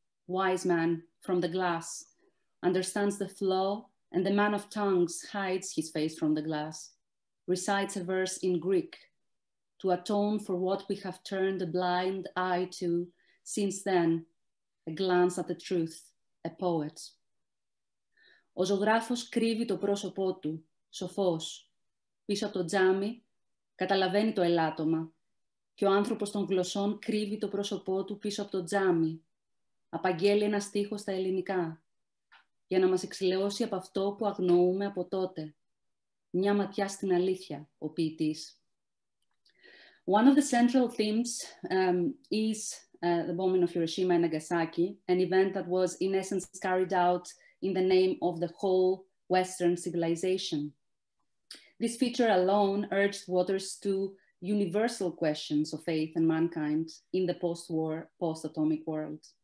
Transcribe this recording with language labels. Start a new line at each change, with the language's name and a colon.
English: Wise man from the glass understands the flaw, and the man of tongues hides his face from the glass, recites a verse in Greek to atone for what we have turned a blind eye to since then, a glance at the truth, a poet.
Greek: Ο ζωγράφος κρύβει το πρόσωπό του, σοφός, πίσω από το τζάμι, καταλαβαίνει το ελάττωμα, και ο άνθρωπος των γλωσσών κρύβει το πρόσωπό του πίσω από το τζάμι, απαγγέλει ένα στίχο στα ελληνικά, για να μας εξηλαιώσει από αυτό που αγνοούμε από τότε, μια ματιά στην αλήθεια, ο ποιητής.
English: One of the central themes is the bombing of Hiroshima and Nagasaki, an event that was in essence carried out in the name of the whole Western civilization. This feature alone urged Waters to universal questions of faith and mankind in the post-war, post-atomic world.